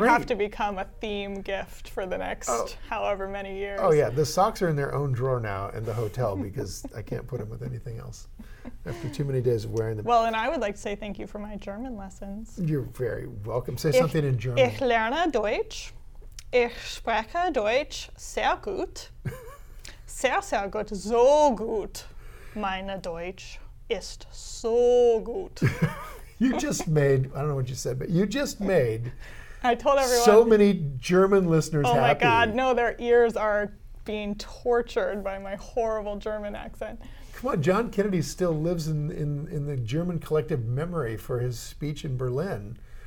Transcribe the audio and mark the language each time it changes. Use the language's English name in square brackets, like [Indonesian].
[English] Might have to become a theme gift for the next however many years. Oh yeah, the socks are in their own drawer now in the hotel because I can't put them with anything else after too many days of wearing them. Well, and I would like to say thank you for my German lessons. You're very welcome. Say something in German. [German] Ich lerne Deutsch. Ich spreche Deutsch sehr gut. Sehr, sehr gut. So gut. Meine Deutsch ist so gut. [English] You just made, I don't know what you said, but you just made I told everyone, so many German listeners oh happy. Oh my God, no, their ears are being tortured by my horrible German accent. Come on, John Kennedy still lives in the German collective memory for his speech in Berlin.